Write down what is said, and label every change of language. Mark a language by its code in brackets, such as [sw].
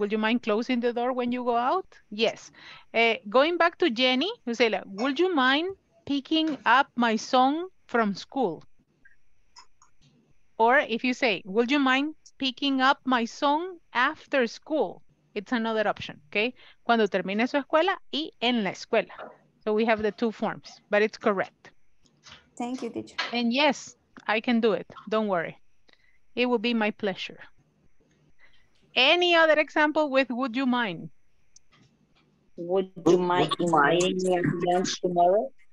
[en] Would you mind closing the door when you go out? Yes. Going back to Jenny, you say, would you mind picking up my son from school? Or if you say, would you mind picking up my son after school? It's another option, okay? [es] Cuando termine su escuela y en la escuela. [en] So we have the two forms, but it's correct. Thank you, teacher. And yes, I can do it. Don't worry. It will be my pleasure. Any other example with would you mind? Would you mind making lunch tomorrow?